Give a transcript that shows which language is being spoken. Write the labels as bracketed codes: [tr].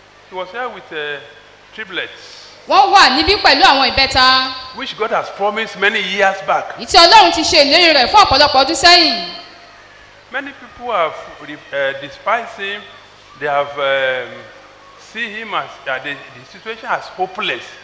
[en] He was here with triplets. [yo] Wọ́n wà níbí pẹ̀lú àwọn ìbẹ́ta. [en] Which God has promised many years back. [yo] Èyí tí Ọlọ́run ti ṣe ìlérí rẹ̀ fún ọ̀pọ̀lọpọ̀ ọdún sẹ́yìn. [en] Many people have despised him. They have seen him as the situation as hopeless.